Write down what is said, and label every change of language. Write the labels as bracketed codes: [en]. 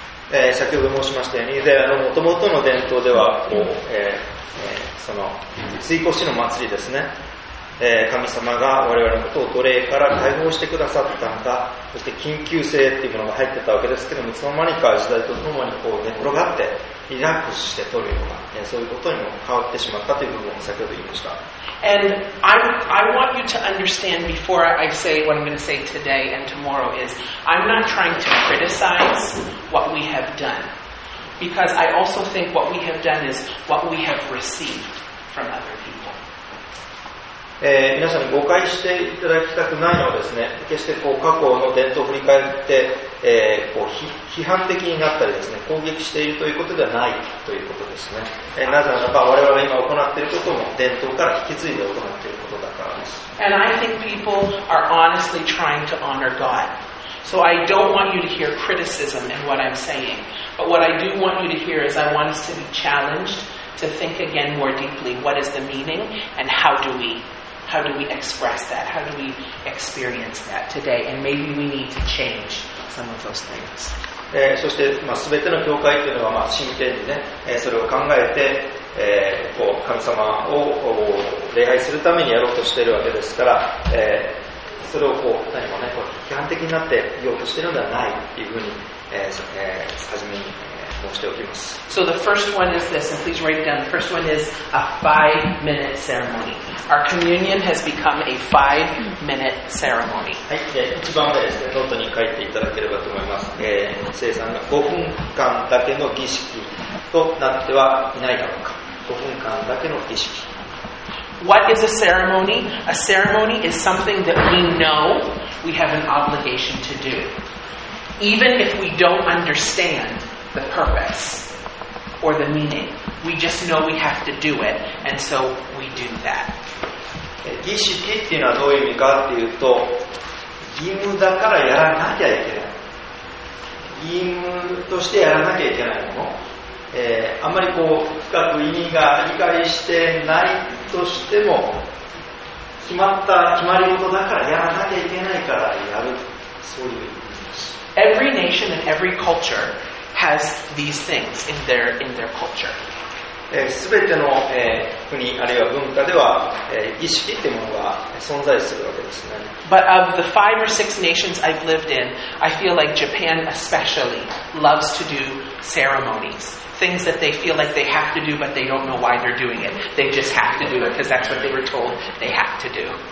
[ja] 先ほど申しましたように、で、元々の伝統では、こう、その追悼しの祭りですね。神様が我々のことを奴隷から解放してくださったんだ。そして緊急性っていうものが入ってたわけですけども、いつの間にか時代とともにこう寝転がってリラックスして取るような、そういうことにも変わってしまったという部分を先ほど言いました。 [en] And I want you to understand before I say what I'm going to say today and tomorrow is I'm not trying to criticize what we have done because I also think what we have done is what we have received from other people. [ja] 皆さんに誤解していただきたくないのはですね、決してこう過去の伝統を振り返って、こう批判的になったりですね、攻撃しているということではないということですね。なぜならば我々が今行っていることも伝統から引き継いで行っていることだからです。 [en] And I think people are honestly trying to honor God. So I don't want you to hear criticism in what I'm saying. But what I do want you to hear is I want us to be challenged to think again more deeply. What is the meaning and how do we express that? How do we experience that today? And maybe we need to change. Some of those things. [ja] そして、まあ、全ての教会というのは、まあ、真剣にね、それを考えて、こう神様を礼拝するためにやろうとしているわけですから、それをこう何もね、こう批判的になっていようとしているのではないというふうに、初めに、申しておきます。 [en] So the first one is this, and please write it down. The first one is a five-minute ceremony. Our communion has become a five-minute ceremony. [ja] はい、で、一番目ですね、ノートに書いていただければと思います。聖さんが5分間だけの儀式となってはいないだろうか。 5分間だけの儀式。 [en] What is a ceremony? A ceremony is something that we know we have an obligation to do. Even if we don't understandthe purpose or the meaning. We just know we have to do it, and so we do that. [ja] 儀式っていうのはどういう意味かっていうと、義務だからやらなきゃいけない。義務としてやらなきゃいけないもの。あんまりこう深く意味が理解してないとしても、決まり事だからやらなきゃいけないからやる。そういう意味です。 [en] Every nation and every culture. Has these things in their culture. [ja] すべての、国あるいは文化では、儀式っていうものが存在するわけですね。 [en] But of the five or six nations I've lived in, I feel like Japan especially loves to do ceremonies, things that they feel like they have to do, but they don't know why they're doing it. They just have to do it because that's what they were told they have to do.